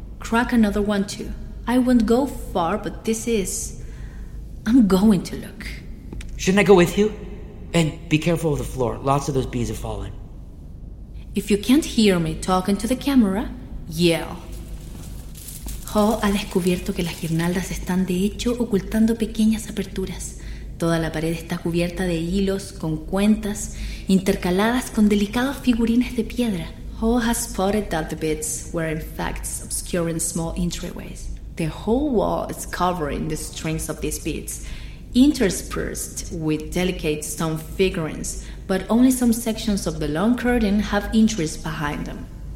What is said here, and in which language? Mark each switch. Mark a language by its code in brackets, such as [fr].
[en] crack another one too. I won't go far, but this is... I'm going to look. Shouldn't I go with you? And be careful of the floor. Lots of those bees have fallen. If you can't hear me talking to the camera, yell. [es] Ho ha descubierto que las guirnaldas están de hecho ocultando pequeñas aperturas. Toda la pared está cubierta de hilos con cuentas intercaladas con delicados figurines de piedra. [en] Ho has spotted that the bits were in fact obscuring small entryways. The whole wall is covering the strings of these beads, interspersed with delicate stone figurines, but only some sections of the long curtain have entries behind them.